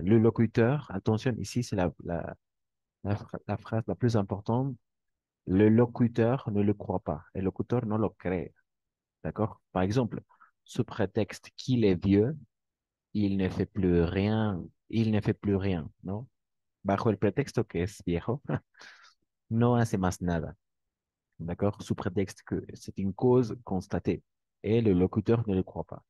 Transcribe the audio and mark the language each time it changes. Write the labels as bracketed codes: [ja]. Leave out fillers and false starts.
[fr] Le locuteur, attention, ici c'est la phrase la plus importante. Le locuteur ne le croit pas. Le locuteur [es] non lo cree. [fr] D'accord? Par exemple, sous prétexte qu'il est vieux, il ne fait plus rien. Il ne fait plus rien, ¿no? [es] Bajo el pretexto que es viejo, no hace más nada. [fr] D'accord? Sous prétexte que c'est une cause constatée. Et le locuteur ne le croit pas.